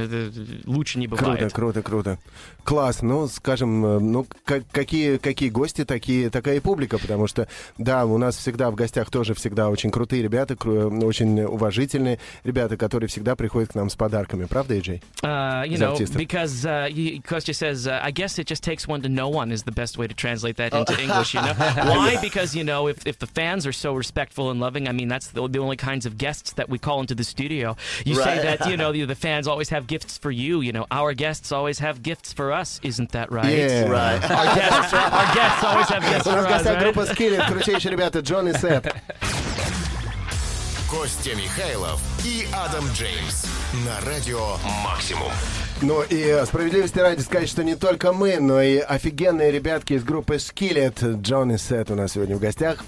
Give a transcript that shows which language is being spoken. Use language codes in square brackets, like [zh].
[ru] Это лучше не бывает. Круто, круто, круто. Класс. Ну, скажем, ну, какие гости, такая и публика, потому что, да, у нас всегда в гостях тоже всегда очень крутые ребята, очень уважительные ребята, которые всегда приходят к нам с подарками. Правда, Эй-Джей? [en] Костя says, I guess it just takes one to know one is the best way to translate that into English, you know? Why? Because, you know, if the fans are so respectful and loving, I mean, that's the only kinds of guests that we call into the studio. You right. say that, you know, the fans always have gifts for you. You know, our guests always have gifts for us. Isn't that right? Yeah. Right. Our guests always have gifts for us, right? [ru] У нас гостя группа Skillet. Крутейшие ребята, Джон и Сет. Костя Михайлов и Адам Джеймс на радио «Максимум». Ну и справедливости ради сказать, что не только мы, но и офигенные ребятки из группы Skillet, Джон и Сет у нас сегодня в гостях.